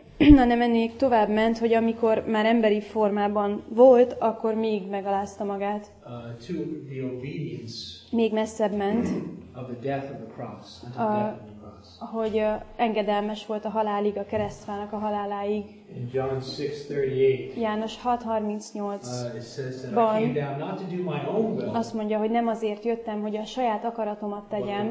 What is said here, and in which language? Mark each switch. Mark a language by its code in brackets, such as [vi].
[hu] hanem ennél tovább ment, hogy amikor már emberi formában volt, akkor még megalázta magát. [en] To the obedience [hu] még messzebb ment, [en] of the death of the cross, [hu] hogy engedelmes volt a halálig, a keresztfának a haláláig. [en] In John 6:38, [hu] János 6:38 [en] it says that ban, I came down not to do my own will, [hu] azt mondja, hogy nem azért jöttem, hogy a saját akaratomat tegyem,